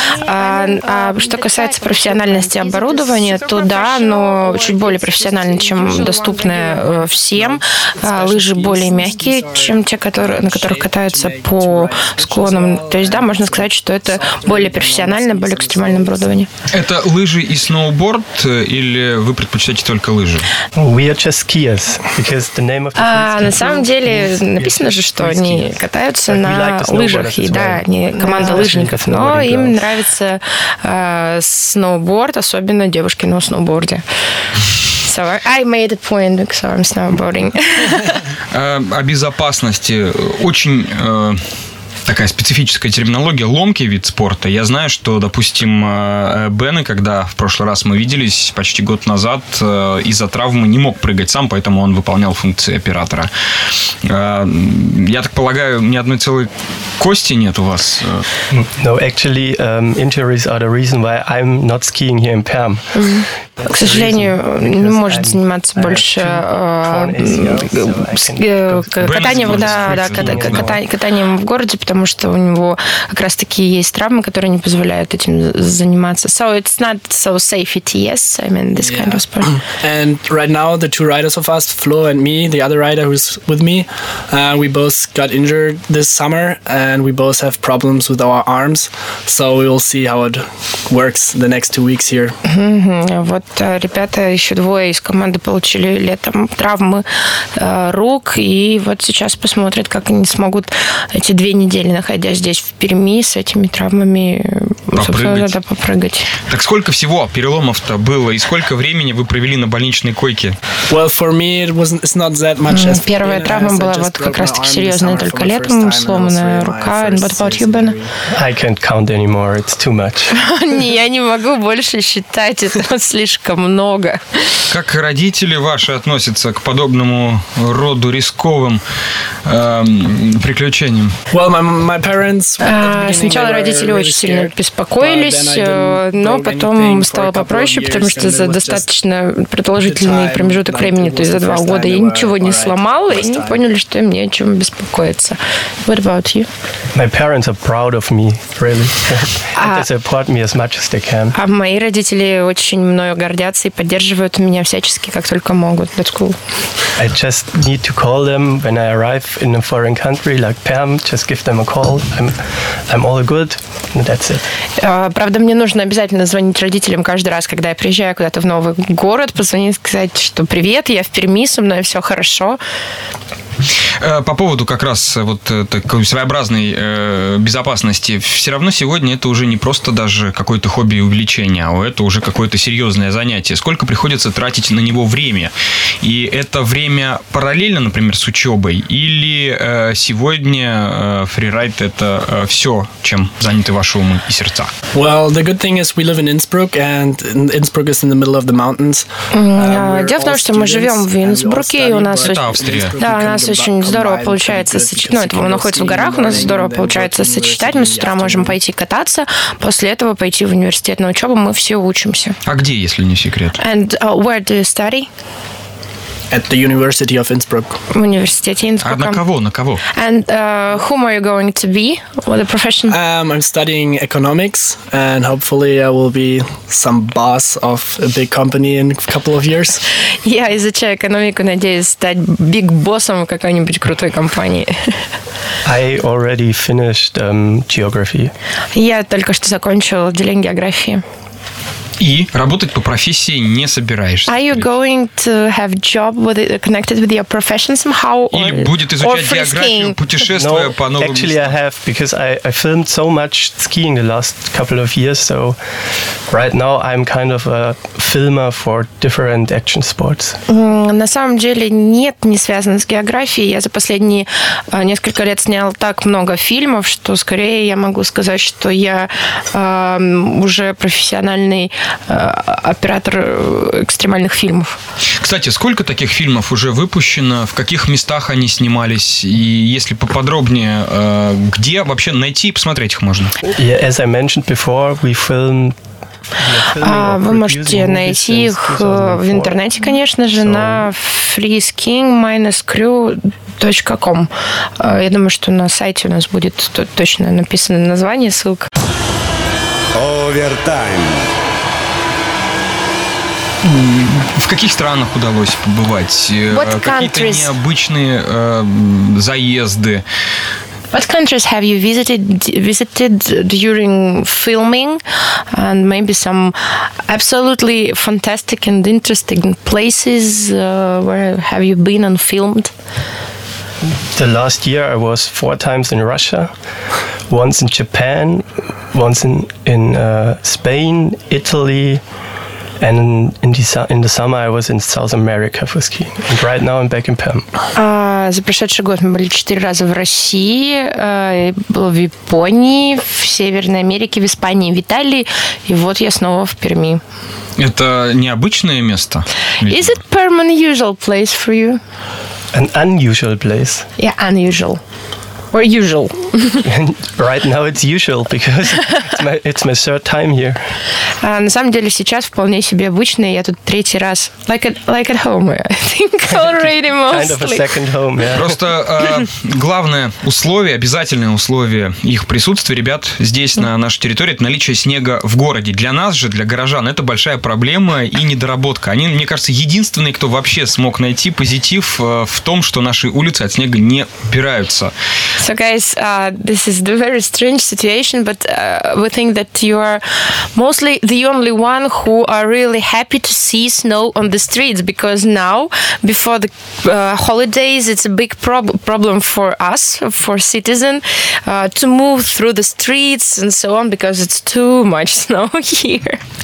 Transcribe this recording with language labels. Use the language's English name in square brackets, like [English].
[Russian] А что касается профессиональности оборудования, то да, но чуть более профессионально, чем доступное всем. Лыжи более мягкие, чем те, которые, на которых катаются по склонам. То есть, да, можно сказать, что это более профессиональное, более экстремальное оборудование. Это лыжи и сноуборд, или вы предпочитаете только лыжи? [English] We are just skiers, because the name of the team. [Russian] На самом деле написано же, что они катаются на лыжах, и да, они команда лыжников, но им нравится сноуборд, особенно девушки на сноуборде. [English] So I made a point, so I'm snowboarding. [Russian] О безопасности. Очень такая специфическая терминология, ломкий вид спорта. Я знаю, что, допустим, Бены, когда в прошлый раз мы виделись почти год назад, из-за травмы не мог прыгать сам, поэтому он выполнял функции оператора. Я так полагаю, ни одной целой кости нет у вас? [English] No, actually, injuries are the reason why I'm not skiing here in Perm. Mm-hmm. [Russian] К сожалению, не может заниматься больше катанием в городе, потому что у него как раз-таки есть травмы, которые не позволяют этим заниматься. [English] So it's not so safe, it is, I mean, this kind of sport. And right now, the two riders of us, Flo and me, the other rider who's with me, we both got injured this summer, and we both have problems with our arms, so we will see how it works the next two weeks here. [Russian] Вот ребята, еще двое из команды получили летом травмы рук, и вот сейчас посмотрят, как они смогут эти две недели, находясь здесь в Перми, с этими травмами, попрыгать. Да, попрыгать. Так сколько всего переломов-то было, и сколько времени вы провели на больничной койке? [English] Well, for me it was, it's not that much as... [Russian] Первая травма была вот как раз-таки серьезная только летом, сломанная рука. [English] What about you, Ben? I can't count anymore, it's too much. [Russian] Не, я не могу больше считать, это слишком много. Как родители ваши относятся к подобному роду рисковым приключениям? [English] Well, my parents... [Russian] Сначала родители очень сильно беспокоились, но потом стало попроще, потому что за достаточно продолжительный промежуток времени, то есть за два года, я ничего не сломал, и они поняли, что им не о чем беспокоиться. [English] What about you? My parents are proud of me, really. They support me as much as they can. [Russian] А мои родители очень мною гордятся и поддерживают меня всячески, как только могут. [English] That's cool. I just need to call them when I arrive in a foreign country, like Perm, just give them a call. I'm all good, and that's it. [Russian] Правда, мне нужно обязательно звонить родителям каждый раз, когда я приезжаю куда-то в новый город, позвонить, сказать, что привет, я в Перми, со мной все хорошо. По поводу как раз вот такой своеобразной безопасности, все равно сегодня это уже не просто даже какое-то хобби и увлечение, а это уже какое-то серьезное занятие. Сколько приходится тратить на него время? И это время параллельно, например, с учебой? Или сегодня фрирайд – это все, чем заняты ваши умы и сердца? [English] Well, the good thing is we live in Innsbruck, and Innsbruck is in the middle of the mountains. [Russian] Дело в том, что мы живем в Инсбруке, и у нас... Это Австрия. Да, у нас очень здорово получается сочетать. Ну, это находится в горах, у нас здорово получается сочетать. Мы с утра можем пойти кататься, после этого пойти в университет на учебу, мы все учимся. А где, если не секрет? [English] And where do you study? At the University of Innsbruck. [Russian] В университете Инсбрука. А на кого, на кого? [English] And whom are you going to be? What a profession? I'm studying economics, and hopefully I will be some boss of a big company in a couple of years. [Russian] Я изучаю экономику, надеюсь стать big боссом в какой-нибудь крутой компании. [English] I already finished geography. [Russian] Я только что закончил отделение географии. И работать по профессии не собираешься. [English] Are you going to have job with it, connected with your profession somehow? Or, [Russian] или будет изучать географию, путешествуя [English] no, [Russian] по новым местам? [English] Actually, [Russian] местам. [English] I have, because I filmed so much skiing the last couple of years, so right now I'm kind of a filmer for different action sports. [Russian] На самом деле нет, не связано с географией. Я за последние несколько лет снял так много фильмов, что скорее я могу сказать, что я уже профессиональный оператор экстремальных фильмов. Кстати, сколько таких фильмов уже выпущено? В каких местах они снимались? И если поподробнее, где вообще найти и посмотреть их можно? Yeah, as I mentioned before, we filmed... Вы можете найти их в интернете, конечно же, на freesking-crew.com. Я думаю, что на сайте у нас будет точно написано название, ссылка. Овертайм. В каких странах удалось побывать? Какие-то необычные заезды? [English] What countries have you visited during filming, and maybe some absolutely fantastic and interesting places where have you been and filmed? The last year I was 4 times in Russia, once in Japan, once in Spain, Italy. And in the summer I was in South America for skiing. And right now I'm back in Perm. [Russian] За прошедший год мы были 4 раза в России, было в Японии, в Северной Америке, в Испании, в Италии. И вот я снова в Перми. Это необычное место? [English] Is it Perm an unusual place for you? An unusual place? Yeah, unusual. Or usual. Right now it's usual, because it's my third time here. [Russian] На самом деле сейчас вполне себе обычно, я тут третий раз. [English] Like at home, I think already mostly. Kind of a second home, yeah. [Russian] Просто главное условие, обязательное условие их присутствия, ребят, здесь, на нашей территории, это наличие снега в городе. Для нас же, для горожан, это большая проблема и недоработка. Они, мне кажется, единственные, кто вообще смог найти позитив в том, что наши улицы от снега не убираются. [English] So, guys, this is a very strange situation, but we think that you are mostly the only one who are really happy to see snow on the streets, because now, before the holidays, it's a big problem for us, for citizens, to move through the streets and so on, because it's too much snow here.